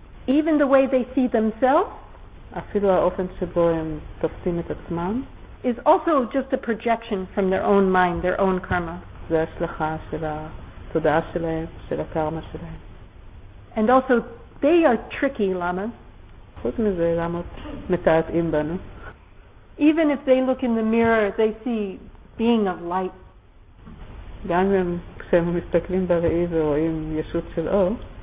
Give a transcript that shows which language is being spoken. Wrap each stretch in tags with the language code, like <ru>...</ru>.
<en>Even the way they see themselves.</en> <he>אפילו האופן שבו הם תופסים את עצמם.</he> <en>Is also just a projection from their own mind, their own karma.</en> <he>זה השלכה של התודעה שלהם, של הקרמה שלהם.</he> <en>And also they are tricky lamas.</en> <he>חוץ מזה, למות מתעתים בנו.</he> <en>Even if they look in the mirror, they see being of light.</en> <he>גם הם כשהם מסתכלים בראי ורואים ישות של אור.</he>